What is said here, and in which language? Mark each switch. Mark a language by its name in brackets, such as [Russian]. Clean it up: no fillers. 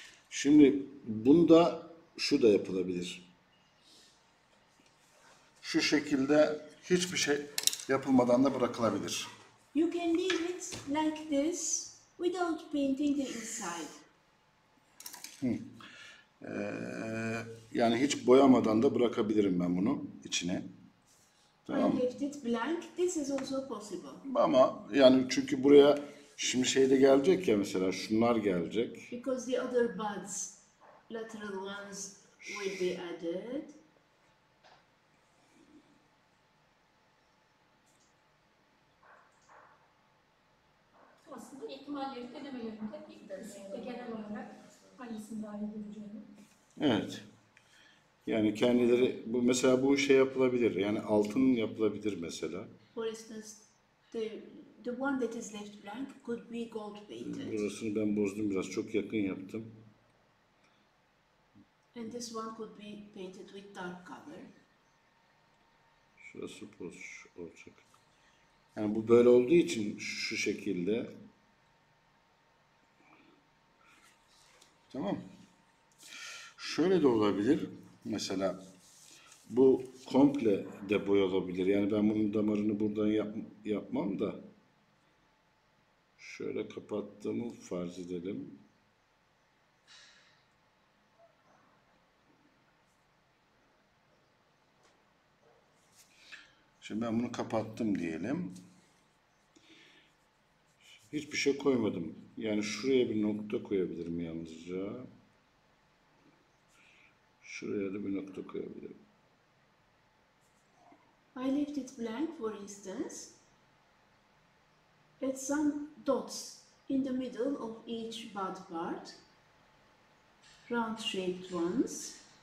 [Turkish] Şimdi bunda şu da yapılabilir. Şu şekilde hiçbir şey yapılmadan da bırakılabilir. [English] You can leave it like this without painting the inside. [Turkish] Yani hiç boyamadan da bırakabilirim ben bunu içine. Tamam. [English] I left it blank. This is also possible. [Turkish] Ama yani çünkü buraya şimdi şey de gelecek ya mesela şunlar gelecek. [English] Because the other buds, lateral ones will be added. [Turkish] Aslında ihtimalleri denemelerinde genel olarak hangisini daha iyi göreceğini. Evet. Yani kendileri bu mesela bu şey yapılabilir. Yani altın yapılabilir mesela. [English] For instance, the one that is left blank could be gold painted. [Turkish] Burasını ben bozdum biraz, çok yakın yaptım. [English] And this one could be painted with dark color. [Turkish] Şurası boz olacak. Yani bu böyle olduğu için şu şekilde. Tamam. Şöyle de olabilir. Mesela bu komple de boyalabilir. Yani ben bunun damarını buradan yapmam da. Şöyle kapattığımı farz edelim. Şimdi ben bunu kapattım diyelim. Hiçbir şey koymadım. Yani şuraya bir nokta koyabilirim yalnızca. Şuraya da bir nokta koyabilirim. [English] I left it blank for instance. At some dots in the middle of each body part, round-shaped ones.